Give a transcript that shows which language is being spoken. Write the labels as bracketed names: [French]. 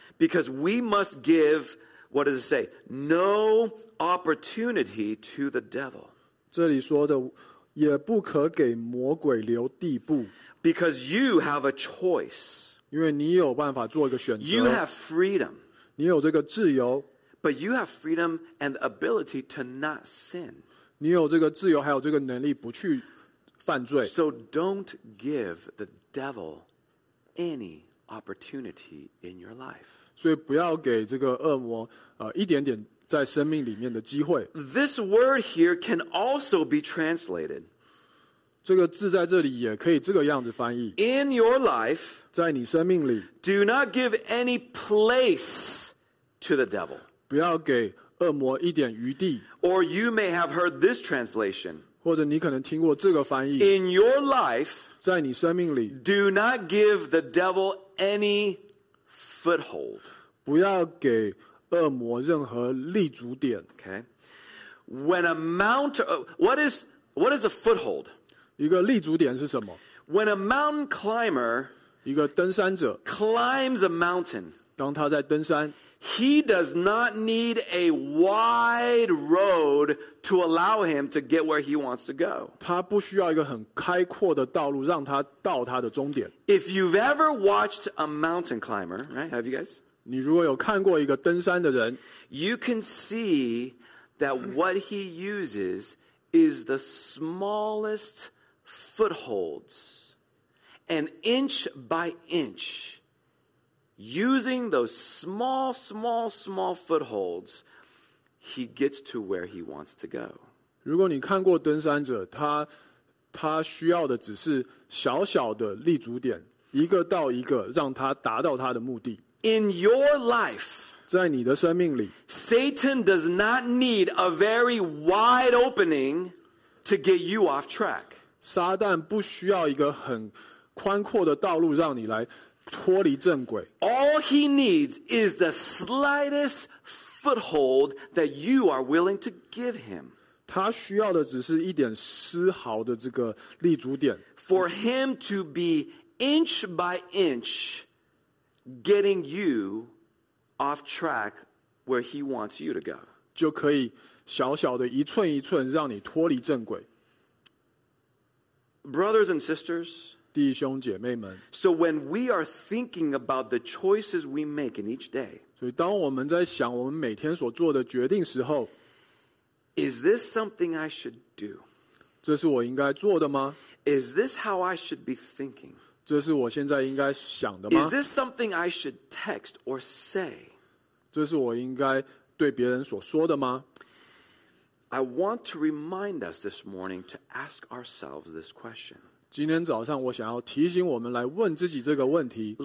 [English] Because we must give, what does it say? No opportunity to the devil. [Chinese] 这里说的 也不可给魔鬼留地步, [English] because you have a choice. You have freedom. [Chinese] 你有这个自由, [English] but you have freedom and ability to not sin. [Chinese] 你有这个自由还有这个能力不去犯罪。 [English] So don't give the devil any opportunity in your life. [Chinese] 所以不要给这个恶魔一点点在生命里面的机会。 [English] This word here can also be translated, [Chinese] 这个字在这里也可以这个样子翻译, [English] in your life, [Chinese] 在你生命里, [English] do not give any place to the devil. [Chinese] 不要给恶魔一点余地。 [English] Or you may have heard this translation. [Chinese] 或者你可能听过这个翻译。 [English] In your life, [Chinese] 在你生命里， [English] do not give the devil any foothold. [Chinese] 不要给恶魔任何立足点。 [English] Okay. When a mountain, what is a foothold? [Chinese] 一个立足点是什么？ [English] When a mountain climber, [Chinese] 一个登山者， [English] climbs a mountain, [Chinese] 当他在登山， [English] He does not need a wide road to allow him to get where he wants to go. [Chinese] 他不需要一个很开阔的道路让他到他的终点。 [English] If you've ever watched a mountain climber, right? Have you guys? [Chinese] 你如果有看过一个登山的人， [English] You can see that what he uses is the smallest footholds. And inch by inch,Using those small, small, small footholds, he gets to where he wants to go. [Chinese] 如果你看过登山者，他需要的只是小小的立足点，一个到一个，让他达到他的目的。 [English] In your life, [Chinese] 在你的生命里， [English] Satan does not need a very wide opening to get you off track. [Chinese] 撒旦不需要一个很宽阔的道路让你来。 [English] All he needs is the slightest foothold that you are willing to give him. [Chinese] 他需要的只是一点丝毫的这个立足点。 [English] For him to be inch by inch getting you off track where he wants you to go. [Chinese] 就可以小小的一寸一寸让你脱离正轨。 [English] Brothers and sisters, [Chinese] 弟兄姐妹们， [English] so when we are thinking about the choices we make in each day, [Chinese] 所以当我们在想我们每天所做的决定时候， [English] is this something I should do? [Chinese] 这是我应该做的吗？ [English] is this how I should be thinking? [Chinese] 这是我现在应该想的吗？ [English] is this something I should text or say? [Chinese] 这是我应该对别人所说的吗？ [English] I want to remind us this morning to ask ourselves this question. [Chinese] 今天早上我想要提醒我们来问自己这个问题。